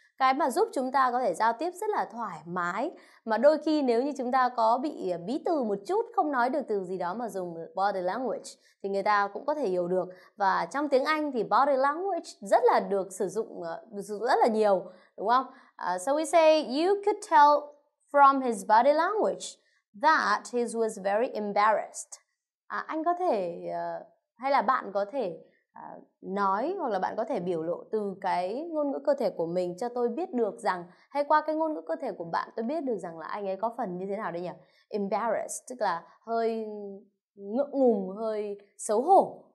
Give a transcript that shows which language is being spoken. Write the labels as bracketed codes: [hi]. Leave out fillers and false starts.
[vi] Cái mà giúp chúng ta có thể giao tiếp rất là thoải mái, mà đôi khi nếu như chúng ta có bị bí từ một chút, không nói được từ gì đó mà dùng body language thì người ta cũng có thể hiểu được. Và trong tiếng Anh thì body language rất là được sử dụng rất là nhiều, đúng không? [en] So we say you could tell from his body language that he was very embarrassed. [vi] Anh có thể hay là bạn có thể nói hoặc là bạn có thể biểu lộ từ cái ngôn ngữ cơ thể của mình cho tôi biết được rằng, hay qua cái ngôn ngữ cơ thể của bạn tôi biết được rằng là anh ấy có phần như thế nào đây nhỉ? Embarrassed, tức là hơi ngượng ngùng, hơi xấu hổ.